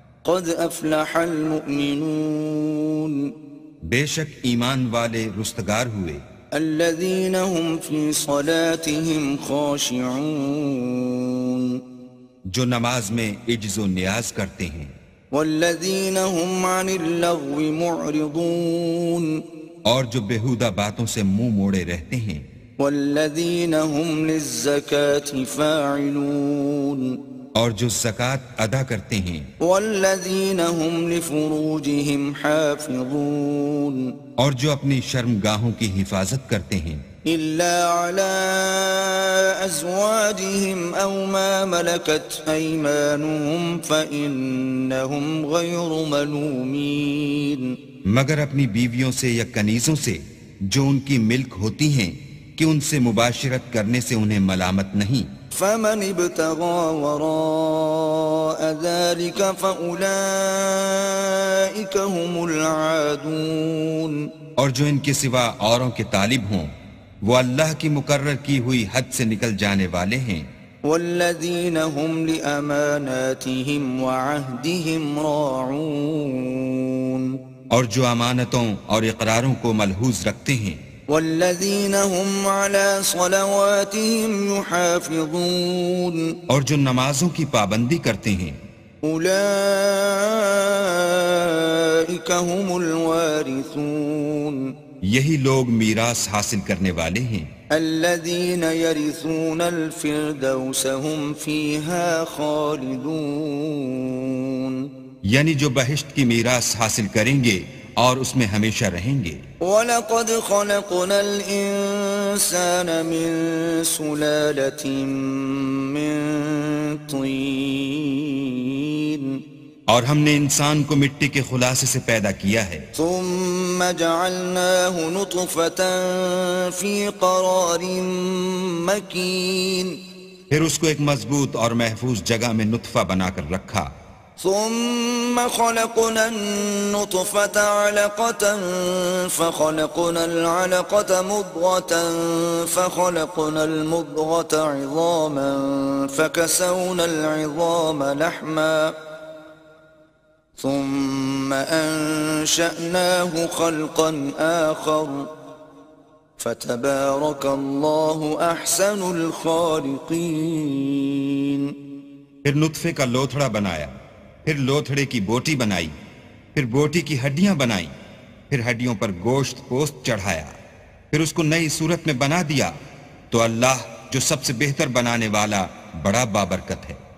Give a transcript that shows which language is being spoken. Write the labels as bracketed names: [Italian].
[Arabic] قد افلح المؤمنون [Urdu] بے شک ایمان والے رستگار ہوئے [Arabic] الذین هم فی صلاتهم خاشعون [Urdu] جو نماز میں عجز و نیاز کرتے ہیں [Arabic] والذین هم عن اللغو معرضون [Urdu] اور جو بےہودہ باتوں سے منہ موڑے رہتے ہیں [Arabic] والذین هم للزکاة فاعلون [Urdu] اور جو زکات ادا کرتے ہیں [Arabic] والذین هم لفروجهم حافظون [Urdu] اور جو اپنی شرمگاہوں کی حفاظت کرتے ہیں [Arabic] الا علی ازواجهم او ما ملکت ایمانهم فانهم غیر ملومین [Urdu] مگر اپنی بیویوں سے یا کنیزوں سے جو ان کی ملک ہوتی ہیں کہ ان سے مباشرت کرنے سے انہیں ملامت نہیں [Arabic] فمن ابتغى وراء ذلك فأولئك هم العادون [Urdu] اور جو ان کے سوا اوروں کے طالب ہوں وہ اللہ کی مقرر کی ہوئی حد سے نکل جانے والے ہیں [Arabic] والذین هم لأماناتهم وعهدهم راعون [Urdu] اور جو امانتوں اور اقراروں کو ملحوظ رکھتے ہیں [Arabic] والذین هم علی صلواتهم يحافظون [Urdu] اور جو نمازوں کی پابندی کرتے ہیں [Arabic] اولئک هم الوارثون [Urdu] یہی لوگ میراث حاصل کرنے والے ہیں [Arabic] الذین يرثون الفردوس هم فیها خالدون [Urdu] یعنی جو بہشت کی میراث حاصل کریں گے اور اس میں ہمیشہ رہیں گے [Arabic] وَلَقَدْ خَلَقْنَا الْإِنسَانَ مِن سُلَالَةٍ مِن طِين [Urdu] اور ہم نے انسان کو مٹی کے خلاصے سے پیدا کیا ہے [Arabic] ثُمَّ جَعَلْنَاهُ نُطْفَةً فِي قَرَارٍ مَكِينَ [Urdu] پھر اس کو ایک مضبوط اور محفوظ جگہ میں نطفہ بنا کر رکھا. [Arabic] ثم خلقنا النطفة علقة فخلقنا العلقة مضغة فخلقنا المضغة عظاما فكسونا العظام لحما ثم أنشأناه خلقا آخر فتبارك الله أحسن الخالقين. [Urdu] پھر نطفے کا لوتھڑا بنایا, پھر لوتھڑے کی بوٹی بنائی, پھر بوٹی کی ہڈیاں بنائی, پھر ہڈیوں پر گوشت پوست چڑھایا, پھر اس کو نئی صورت میں بنا دیا. تو اللہ جو سب سے بہتر بنانے والا بڑا بابرکت ہے.